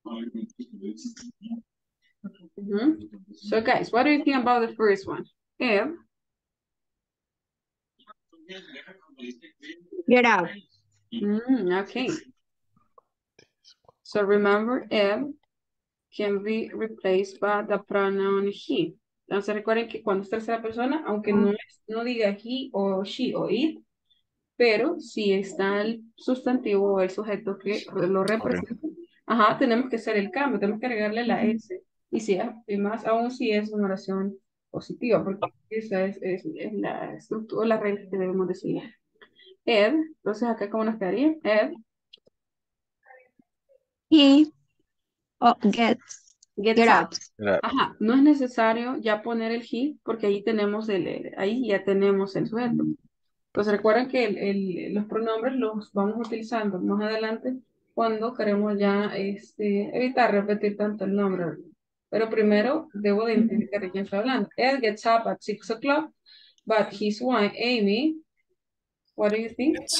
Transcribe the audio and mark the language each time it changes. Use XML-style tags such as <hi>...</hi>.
<en>Mm-hmm. So guys, what do you think about the first one? If. Get out. Okay. So remember, if can be replaced by the pronoun he.</en> <es>Entonces recuerden que cuando es tercera persona, aunque no diga he o she o it, pero si está el sustantivo o el sujeto que lo representa, ajá, tenemos que hacer el cambio, tenemos que agregarle la s. Y si y más aún si es una oración positiva, porque esa es la estructura, la regla que debemos decir. Ed, entonces acá cómo nos quedaría, Ed.</es> <en>He gets up.</en> <es>Ajá, no es necesario ya poner el he porque ahí tenemos el sujeto. Entonces recuerden que los pronombres los vamos utilizando más adelante cuando queremos ya evitar repetir tanto el nombre. Pero primero debo de identificar de quién estoy hablando.</es> <en>Ed gets up at 6 o'clock, but his wife Amy, what do you think?</en>